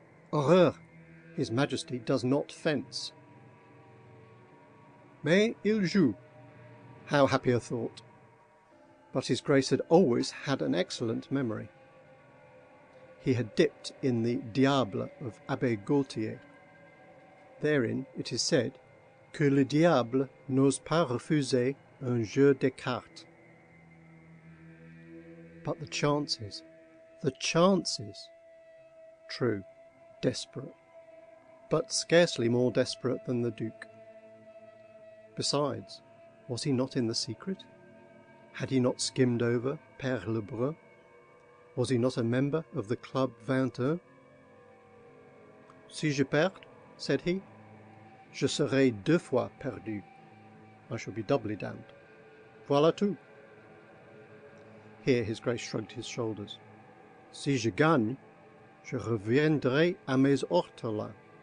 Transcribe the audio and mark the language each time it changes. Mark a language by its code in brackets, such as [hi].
[en] Horreur! His Majesty does not fence. [fr] Mais il joue. [en] How happy a thought! But His Grace had always had an excellent memory. He had dipped in the Diable of Abbé Gaultier. Therein, it is said, [fr] que le diable n'ose pas refuser un jeu de cartes. [en] But the chances! True, desperate, but scarcely more desperate than the Duke. Besides, was he not in the secret? Had he not skimmed over Père Lebrun? Was he not a member of the Club 21? [fr] Si je perds, [en] said he, [fr] je serai deux fois perdu. [en] I shall be doubly damned. [fr] Voilà tout. [en] Here His Grace shrugged his shoulders. [fr] Si je gagne, je reviendrai à mes ortolans.